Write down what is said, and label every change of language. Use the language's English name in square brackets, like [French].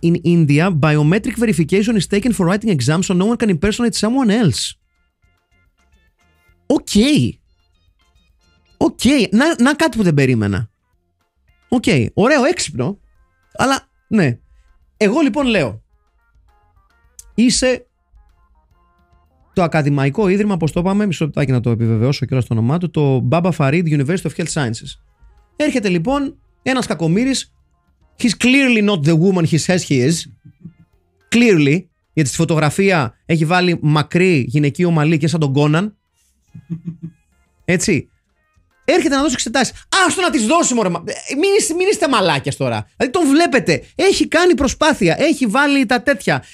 [English] In India, biometric verification is taken for writing exams so no one can impersonate someone else. Okay. [Greek] Να κάτι που δεν περίμενα. Okay. Ωραίο, έξυπνο. Αλλά, ναι. Εγώ λοιπόν λέω. Είσαι το ακαδημαϊκό ίδρυμα, όπως το είπαμε, μισό λεπτάκι να το επιβεβαιώσω και όλα στο όνομά του, το Baba Farid University of Health Sciences. Έρχεται λοιπόν ένας κακομύρης. [English] He's clearly not the woman he says he is. Clearly. [Greek] Γιατί στη φωτογραφία έχει βάλει μακρύ γυναική ομαλή και σαν τον Conan. Έτσι. Έρχεται να δώσει εξετάσεις. Άστο να τις δώσει, μωρέ. Μην είστε μαλάκες τώρα. Δηλαδή τον βλέπετε. Έχει κάνει προσπάθεια. Έχει βάλει τα τέτοια.